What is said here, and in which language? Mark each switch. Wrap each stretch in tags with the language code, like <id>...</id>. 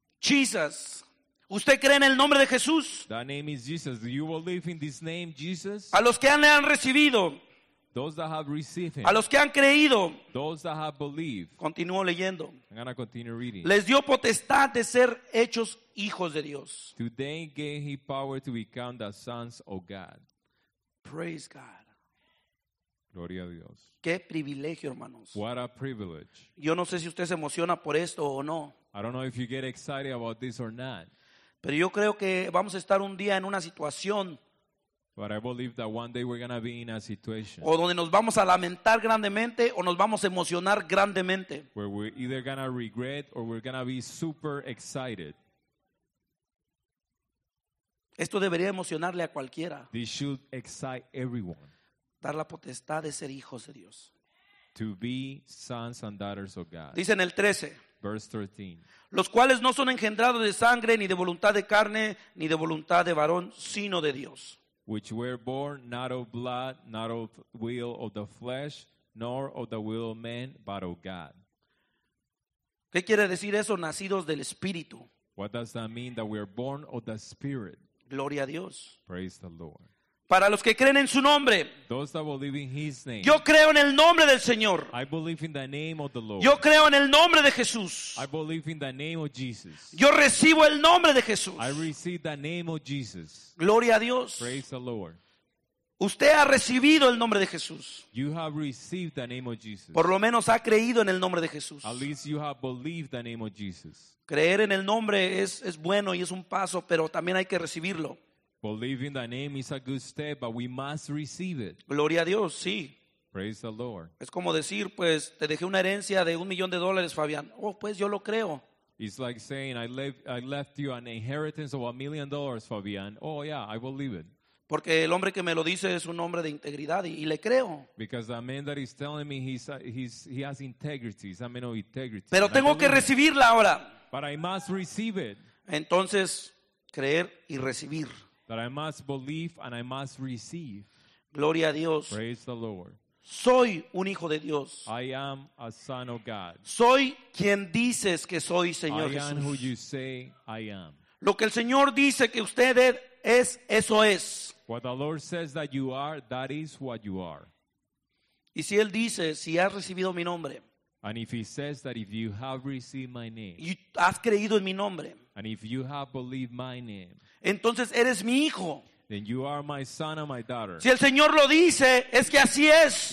<es>Jesus. ¿Usted cree en el nombre de Jesús?</es> <en>That name is Jesus. Do you believe in this name, Jesus?</en> <es>A los que le han recibido.</es> <en>Those that have received him.</en> <es>A los que han creído.</es> <en>Those that have believed.</en> <es>Continúo leyendo.</es> <en>I'm going to continue reading.</en> <es>Les dio potestad de ser hechos hijos de Dios.</es> <en>Today gave he power to become the sons of God. Praise God.</en> <es>Gloria a Dios. Qué privilegio, hermanos.</es> <en>What a privilege.</en> <es>Yo no sé si usted se emociona por esto o no.</es> <en>I don't know if you get excited about this or not.</en> <es>Pero yo creo que vamos a estar un día en una situación.</es> <en>But I believe that one day we're going to be in a situation.</en> <es>O donde nos vamos a lamentar grandemente o nos vamos a emocionar grandemente.</es> <en>Where we're either going to regret or we're going to be super excited.</en> <es>Esto debería emocionarle a cualquiera.</es> <en>This should excite everyone.</en> <es>Dar la potestad de ser hijos de Dios.</es> <en>To be sons and daughters of God.</en> <es>Dice en el 13.</es> <en>Verse 13.</en> <es>Los cuales no son engendrados de sangre, ni de voluntad de carne, ni de voluntad de varón, sino de Dios.</es> <en>Which were born not of blood, not of will of the flesh, nor of the will of man, but of God.</en> <es>¿Qué quiere decir eso? Nacidos del Espíritu.</es> <en>What does that mean? That we are born of the Spirit.</en> <es>Gloria a Dios.</es> <en>Praise the Lord.</en> <es>Para los que creen en su nombre.</es> <en>Those that believe in his name.</en> <es>Yo creo en el nombre del Señor.</es> <en>I believe in the name of the Lord.</en> <es>Yo creo en el nombre de Jesús.</es> <en>I believe in the name of Jesus.</en> <es>Yo recibo el nombre de Jesús.</es> <en>I receive the name of Jesus.</en> <es>Gloria a Dios.</es> <en>Praise the Lord.</en> <es>Usted ha recibido el nombre de Jesús.</es> <en>You have received the name of Jesus.</en> <es>Por lo menos ha creído en el nombre de Jesús.</es> <en>At least you have believed the name of Jesus.</en> <es>Creer en el nombre es bueno y es un paso, pero también hay que recibirlo.</es> <en>Believing in the name is a good step, but we must receive it.</en> <es>Gloria a Dios, sí.</es> <en>Praise the Lord.</en> <es>Es como decir, pues, te dejé una herencia de $1,000,000, Fabián. Oh, pues, yo lo creo.</es> <en>It's like saying, I left you an inheritance of $1,000,000, Fabián. Oh, yeah, I believe it.</en> <es>Porque el hombre que me lo dice es un hombre de integridad y le creo.</es> <en>Because the man that is telling me he has integrity, he's a man of integrity.</en> <es>Pero tengo que recibirla ahora.</es> <en>But I must receive it.</en> <es>Entonces, creer y recibir.</es> <en>That I must believe and I must receive.</en> <es>Gloria a Dios.</es> <en>Praise the Lord.</en> <es>Soy un hijo de Dios.</es> <en>I am a son of God.</en> <es>Soy quien dices que soy, Señor Jesús.</es> <en>I am who you say I am.</en> <es>Lo que el Señor dice que usted es, eso es.</es> <en>What the Lord says that you are, that is what you are.</en> <es>Y si Él dice, si has recibido mi nombre.</es> <en>And if He says that if you have received my name.</en> <es>Y has creído en mi nombre.</es> <en>And if you have believed my name.</en> <es>Entonces eres mi hijo.</es> <en>Then you are my son and my daughter.</en> <es>Si el Señor lo dice, es que así es.</es>